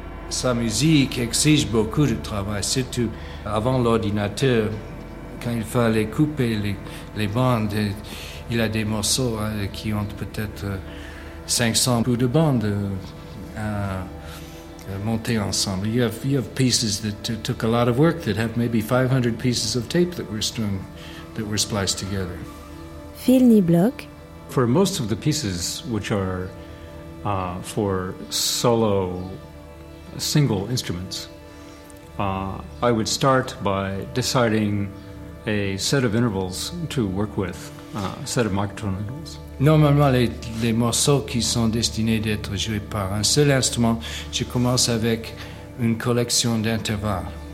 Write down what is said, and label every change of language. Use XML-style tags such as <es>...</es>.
<fr>Sa musique exige beaucoup de travail, surtout avant l'ordinateur, quand il fallait couper les bandes. Il a des morceaux qui ont peut-être 500 bouts de bandes à monter ensemble.</fr> <en>You have pieces that took a lot of work that have maybe 500 pieces of tape that were spliced together. Phil Niblock. For most of the pieces which are for solo single instruments, I would start by deciding a set of intervals to work with, a set of microtonal intervals.</en> <fr>Normalement, les morceaux qui sont destinés d'être joués par un seul instrument, je commence avec une collection d'intervalles.</fr>